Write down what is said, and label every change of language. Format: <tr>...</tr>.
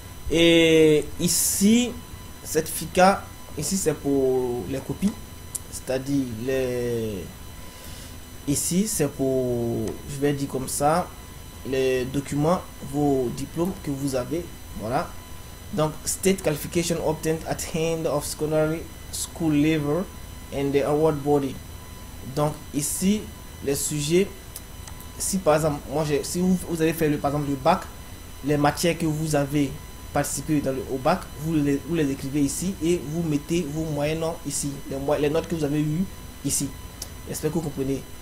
<fr>Et ici, certificat, ici c'est pour les copies, c'est-à-dire les. Ici c'est pour, je vais dire comme ça, les documents, vos diplômes que vous avez. Voilà. Donc,</fr> <en>state qualification obtained at hand of secondary school level and the award body.</en> <fr>Donc, ici, les sujets, si par exemple, si vous avez fait par exemple le bac, les matières que vous avez participer au bac, vous les écrivez ici et vous mettez vos moyennes ici, les notes que vous avez eues ici. J'espère que vous comprenez.</fr>